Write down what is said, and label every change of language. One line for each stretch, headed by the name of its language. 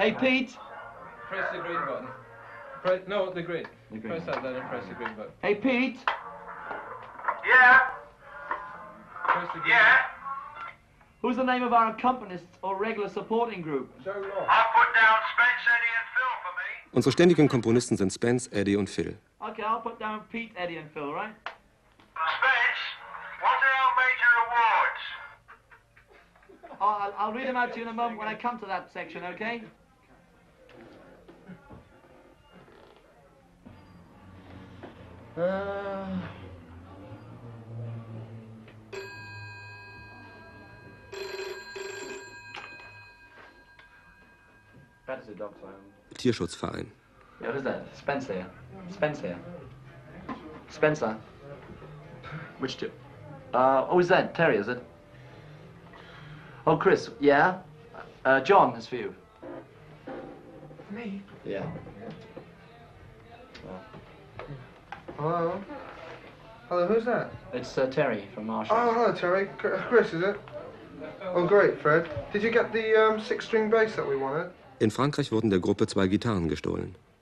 English: Hey, Pete. Press the green button. Press the green. Press that button and press the green button. Hey, Pete. Yeah. Press the green button. Who's the name of our accompanist or regular supporting group? Joe Ross. I put down Spence, Eddie, and Phil for me.
German: Unsere ständigen Komponisten sind Spence, Eddie und Phil.
English: Okay, I'll put down Pete, Eddie, and Phil, right? Spence, what are our major awards? Oh, I'll read them out to you in a moment when I come to that section, okay? That is a dog sound.
German: Tierschutzverein.
English: What is that? Spence here. Spencer. Which two? Who's that? Terry, is it? Oh, Chris, yeah? John is for you. Me? Yeah. Hello, who's that? It's Terry from Marshall. Oh, hello, Terry. Chris, is it? Oh, great, Fred. Did you get the six-string bass that we wanted?
German: In Frankreich wurden der Gruppe zwei Gitarren gestohlen.